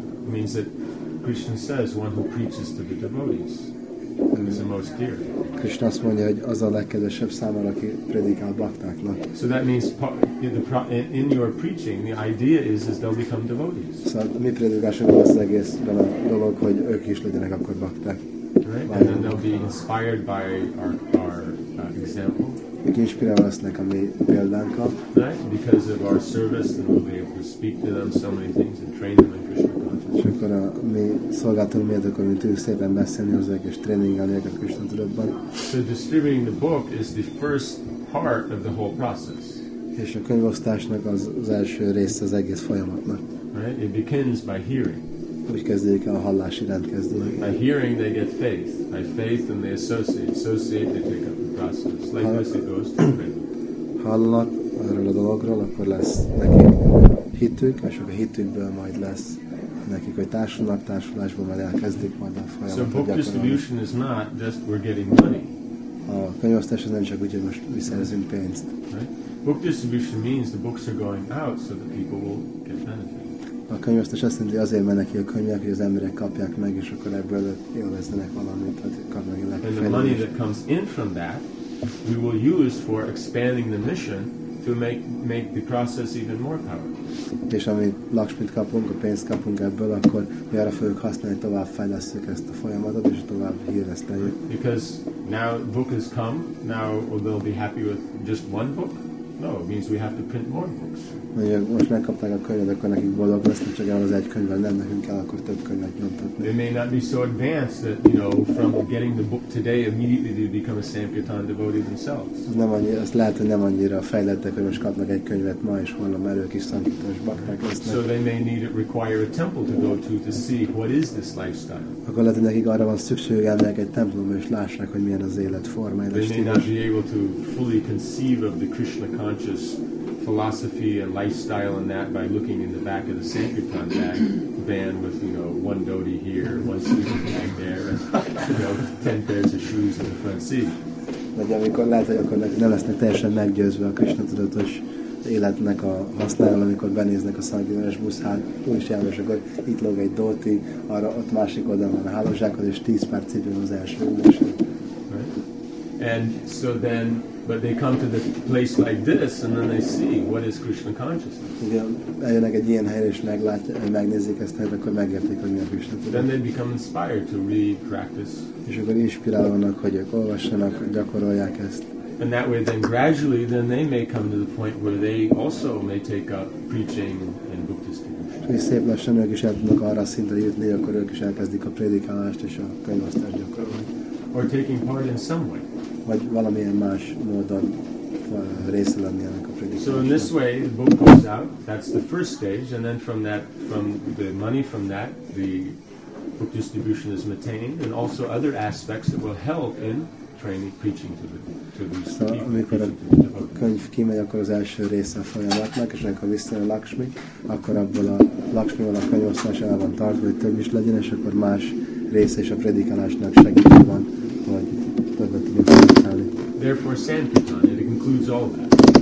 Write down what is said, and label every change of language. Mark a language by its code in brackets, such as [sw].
[en] Means that Krishna says one who preaches to the devotees is the most dear. [hu] Krishna azt mondja, hogy az a legkedvesebb számára, aki prédikál baktáknak. [en] So that means in your preaching the idea is they'll become devotees. [hu] Szóval mi prédikálásunkban az egész a dolog, hogy ők is legyenek akkor bakták. [en] Right? And then they'll be inspired by our example. [hu] Ők inspirálva lesznek a mi példánkkal. [en] Right? Because of our service, then we'll be able to speak to them so many things and train them in Krishna. [hu] És akkor a mi szolgáltunk miért, akkor mi tudjuk szépen beszélni hozzák és tréningelni a Krishna tudatban. [en] So distributing the book is the first part of the whole process. [hu] És a könyvosztásnak az első része az egész folyamatnak. [en] Right? It begins by hearing. [hu] Úgy kezdődik el a hallás iránt kezdődni. [en] By hearing they get faith. By faith and they associate they take up the process. Like this it goes to faith. [hu] Hallnak arról a dologról, akkor lesz nekik hitük, és akkor a hitükből majd lesz nekik, hogy társulásból már elkezdik majd a folyamatot gyakorolni. [en] So book distribution is not just we're getting money. [hu] A könyvosztás nem csak úgy, hogy most visszerezünk pénzt. [en] Right? Book distribution means the books are going out so the people will get benefit. [hu] A könyvosztás azt jelenti, hogy azért mennek ki a könyvek, hogy az emberek kapják meg, és akkor ebből élveznek valamit, hogy kapnak egy lelki fejlődést. [en] And the money that comes in from that, we will use for expanding the mission to make the process even more powerful. [hu] És amit Lakshmit kapunk, a pénzt kapunk ebből, akkor mi arra fogjuk használni, tovább fejlesztjük ezt a folyamatot, és tovább híreszteljük. [en] Because now book has come, now they'll be happy with just one book? No, it means we have to print more books. [hu] Ugye, most megkapták a könyvet, akkor nekik boldog lesznek, csak az egy könyvvel nem, nekünk kell akkor több könyvet nyomtatni. [en] They may not be so advanced that, from getting the book today, immediately they become a Sankirtan devotee themselves. [hu] Nem annyira, azt lehet, hogy nem annyira fejlettek, hogy most kapnak egy könyvet ma, és holnap ők is szankirtanos bakták lesznek. [en] So they may need to require a temple to go to see what is this lifestyle. [hu] Akkor lehet, hogy nekik arra van szükség, hogy elmegyek egy templomba, és lássák, hogy milyen az életforma. [en] They may not be able to fully conceive of the Krishna conscious philosophy and lifestyle and that by looking in the back of the Sankirtan bag van with, one dhoti here, one sleeping bag there, and, ten pairs of shoes in the front seat. [hu] Vagy amikor lehet, hogy akkor nem lesznek teljesen meggyőzve a Krishna tudatos életnek a használatával, amikor benéznek a Sankirtanos busz, hát úgy is jelmes, akkor itt lóg egy dhoti, arra ott másik oldalon van a hálózsákod, és 10 pár cipőn az első ülés. [en] And so then, but they come to the place like this, and then they see what is Krishna consciousness. Then they become inspired to read, practice. And that way, then gradually, then they may come to the point where they also may take up preaching and book distribution. [hu] és szép lassan ők is el tudnak arra szintre jutni, akkor ők is elkezdik a prédikálást és a könyvosztást gyakorolni. [en] Or taking part in some way. [hu] Vagy valamilyen más módon része lenni ennek a prédikálásnak. [en] So in this way the book goes out, that's the first stage, and then from that, from the money from that, the book distribution is maintained, and also other aspects that will help in training, preaching to the [hu] könyv kimegy, akkor az első része a folyamatnak, és amikor visszajön a Lakshmi, akkor abból a Lakshmival a könyvosztás el van tartva, hogy több is legyen, és akkor más része is a predikálásnak segítő van, hogy többet tudjuk használni. [en] Therefore Sankirtan, it includes all that.